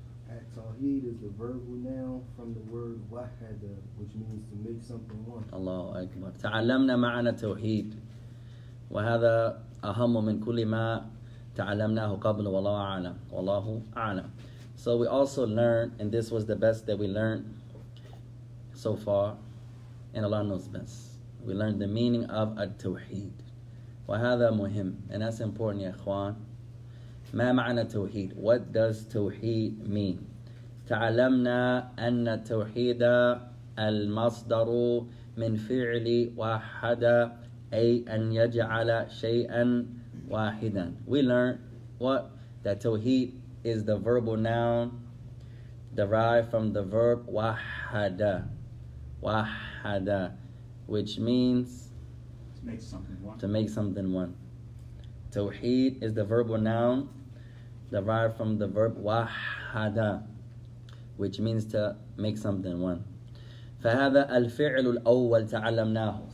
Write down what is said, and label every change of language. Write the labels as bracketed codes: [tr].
[en] At-tawheed is the verbal noun from the word wahada, which means to make something one. [ar] Allahu Akbar. تعلمنا معنى توحيد. وهذا أهم من كل ما تعلمناه قبل. والله أعلم. والله أعلم. [en] So we also learned, and this was the best that we learned so far, and Allah knows best. We learned the meaning of التوحيد. [ar] وهذا مهم. [en] And that's important, [ar] يا إخوان. ما معنى التوحيد? [en] What does توحيد mean? [ar] تعلمنا أن التوحيد المصدر من فعل واحد, أي أن يجعل شيئا واحدا. [en] We learn what? That توحيد is the verbal noun derived from the verb wahada. Wahada, which means to make something one. توحيد is the verbal noun derived from the verb wahada, which means to make something one. [ar] فهذا الفعل الأول تعلمناه.